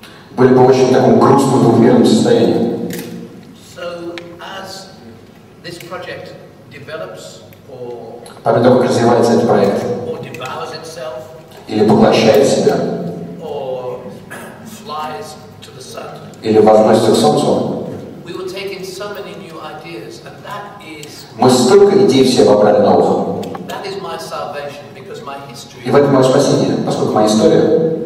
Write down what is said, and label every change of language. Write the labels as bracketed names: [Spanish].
[Russian] Были бы очень таком грустном двухмерном состоянии. [English] So, as this project develops, or, [Russian] по мере того, как развивается этот проект, [English] or devours itself, [Russian] или поглощает себя, [English] or flies to the sun, [Russian] или возносится к солнцу, [English] we will take in so many new ideas, and that is, [Russian] мы столько идей все побрали на ухо. [English] That is my salvation, because my history, [Russian] и в этом мое спасение, поскольку моя история